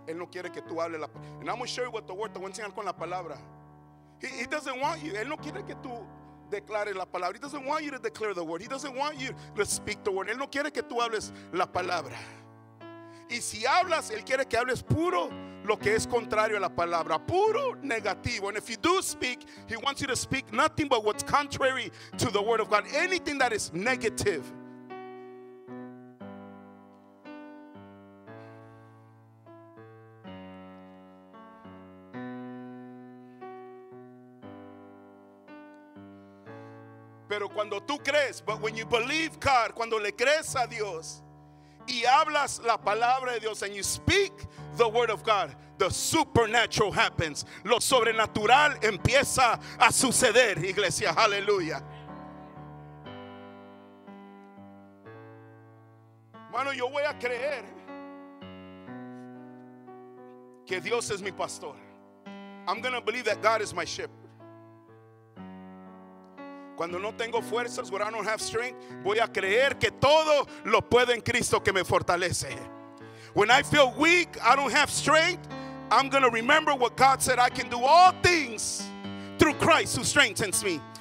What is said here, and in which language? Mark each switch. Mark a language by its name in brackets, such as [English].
[Spanish] Él no quiere que tú hables. [English] And I'm going to show you what the word, [Spanish] te voy a enseñar con la palabra. [English] He doesn't want you. [Spanish] Él no quiere que tú declares la palabra. [English] He doesn't want you to declare the word. He doesn't want you to speak the word. [Spanish] Él no quiere que tú hables la palabra. Y si hablas, él quiere que hables puro lo que es contrario a la palabra, puro negativo. [English] And if you do speak, he wants you to speak nothing but what's contrary to the word of God. Anything that is negative. [Spanish] Pero cuando tú crees, [English] but when you believe God, [Spanish] cuando le crees a Dios y hablas la palabra de Dios, [English] and you speak the word of God, the supernatural happens. [Spanish] Lo sobrenatural empieza a suceder, iglesia. Aleluya. Mano, yo voy a creer que Dios es mi pastor. [English] I'm going to believe that God is my shepherd. [Spanish] Cuando no tengo fuerzas, [English] when I don't have strength, [Spanish] voy a creer que todo lo puedo en Cristo que me fortalece. [English] When I feel weak, I don't have strength, I'm going to remember what God said, I can do all things through Christ who strengthens me.